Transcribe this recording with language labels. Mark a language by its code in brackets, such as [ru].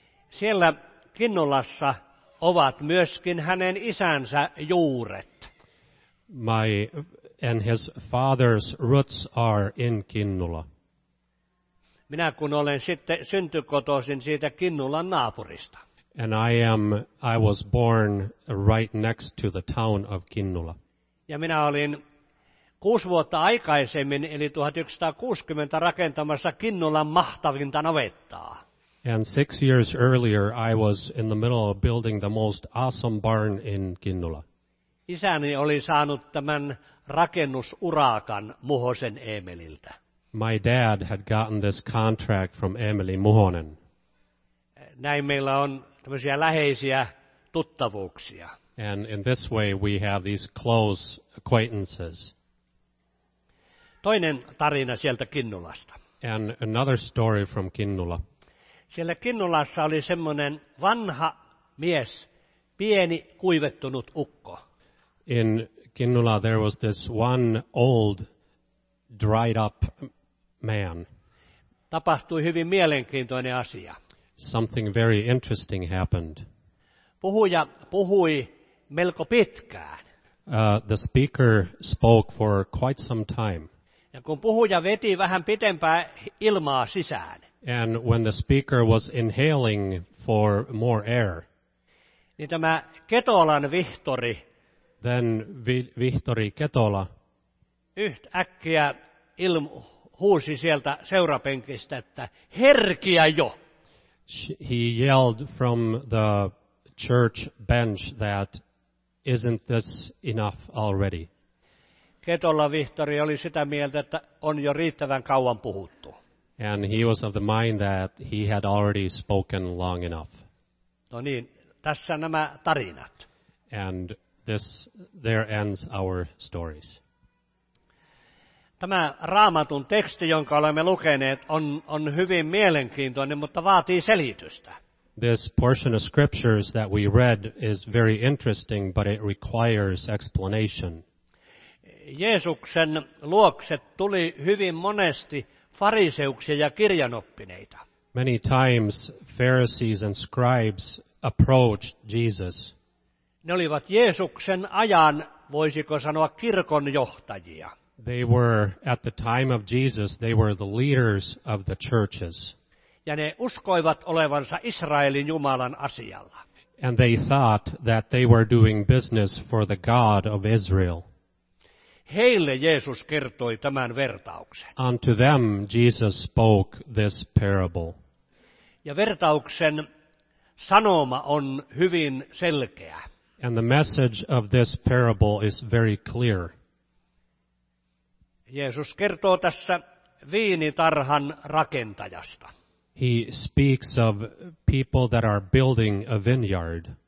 [fi] Siellä Kinnulassa ovat myöskin hänen isänsä juuret. [en] My and his father's roots are in Kinnula. [fi] Minä kun olen sitten syntykotoisin siitä Kinnulan naapurista. [en] And I was born right next to the town of Kinnula. [fi] Ja minä olin 6 vuotta aikaisemmin, eli 1960 rakentamassa Kinnulan mahtavinta navettaa. [en] And 6 years earlier, I was in the middle of building the most awesome barn in Kinnula. [fi] Isäni oli saanut tämän rakennusurakan Muhosen Emililtä. [en] My dad had gotten this contract from Emily Muhonen. [fi] Näin meillä on tämmöisiä läheisiä tuttavuuksia. [en] And in this way, we have these close acquaintances. [fi] Toinen tarina sieltä Kinnulasta. [en] And another story from Kinnula. [fi] Siellä Kinnulassa oli semmoinen vanha mies, pieni kuivettunut ukko. [en] In Kinnula there was this one old dried up man. [fi] Tapahtui hyvin mielenkiintoinen asia. [en] Something very interesting happened. [fi] Puhuja puhui melko pitkään. [en] The speaker spoke for quite some time. [fi] Ja kun puhuja veti vähän pitempää ilmaa sisään. [en] And when the speaker was inhaling for more air. [fi] Niin tämä Ketolan Vihtori. [en] Then Vihtori Ketola. [fi] Yhtäkkiä huusi sieltä seurapenkistä, että herkiä jo. [en] He yelled from the church bench that isn't this enough already? [fi] Ketola Vihtori oli sitä mieltä, että on jo riittävän kauan puhuttu. [en] And he was of the mind that he had already spoken long enough. [fi] No niin, tässä nämä tarinat. [en] And this, there ends our stories. [fi] Tämä Raamatun teksti, jonka olemme lukeneet, on hyvin mielenkiintoinen, mutta vaatii selitystä. [en] This portion of scriptures that we read is very interesting, but it requires explanation. [fi] Jeesuksen luokse tuli hyvin monesti fariseuksia ja kirjanoppineita. [en] Many times Pharisees and scribes approached Jesus. [fi] Ne olivat Jeesuksen ajan, voisiko sanoa, kirkonjohtajia. [en] They were, at the time of Jesus, they were the leaders of the churches. [fi] Ja ne uskoivat olevansa Israelin Jumalan asialla. [en] And they thought that they were doing business for the God of Israel. [fi] Heille Jeesus kertoi tämän vertauksen. [en] Unto them Jesus spoke this parable. [fi] Ja vertauksen sanoma on hyvin selkeä. [en] And the message of this parable is very clear. [fi] Jeesus kertoo tässä viinitarhan rakentajasta. [en] He speaks of people that are building a vineyard.